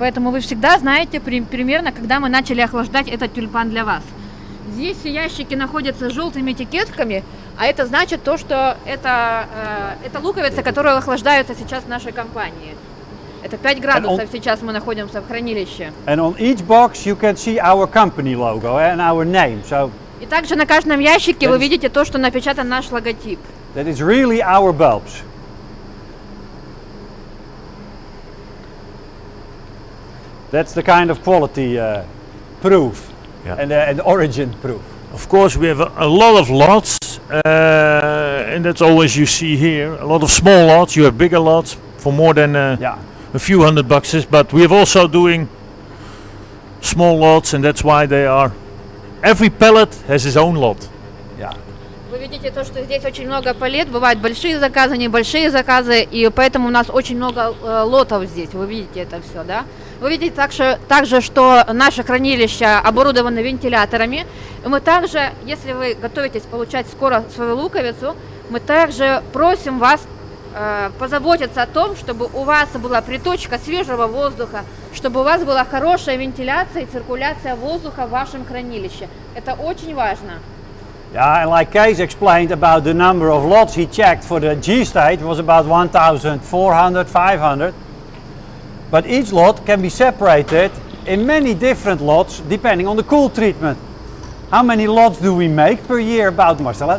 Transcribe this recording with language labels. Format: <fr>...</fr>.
<ru>Поэтому вы всегда знаете примерно, когда мы начали охлаждать этот тюльпан для вас. Здесь ящики находятся с желтыми этикетками, а это значит то, что это луковица, которая охлаждается сейчас в нашей компании. Это 5 градусов сейчас мы находимся в хранилище.</ru> <en>And on each box you can see our company logo and our name. So</en> <ru>и также на каждом ящике вы видите то, что напечатан наш логотип.</ru> <en>That is really our bulbs. That's the kind of quality proof. Yeah. And origin proof. Of course, we have a lot of lots, and that's always you see here. A lot of small lots. You have bigger lots for more than a few hundred boxes. But we have also doing small lots, and that's why they are. Every pallet has its own lot. Yeah.</en> <ru>Вы видите то, что здесь очень много палет. Бывают большие заказы, небольшие заказы, и поэтому у нас очень много лотов здесь. Вы видите это все, да? Вы видите также, что наше хранилище оборудовано вентиляторами. И мы также, если вы готовитесь получать скоро свою луковицу, мы также просим вас позаботиться о том, чтобы у вас была приточка свежего воздуха, чтобы у вас была хорошая вентиляция и циркуляция воздуха в вашем хранилище. Это очень важно.</ru> <en>Yeah, and like Case explained about the number of lots he checked for the G stage was about 1,400-500. But each lot can be separated in many different lots depending on the cool treatment. How many lots do we make per year about, Marcella?</en>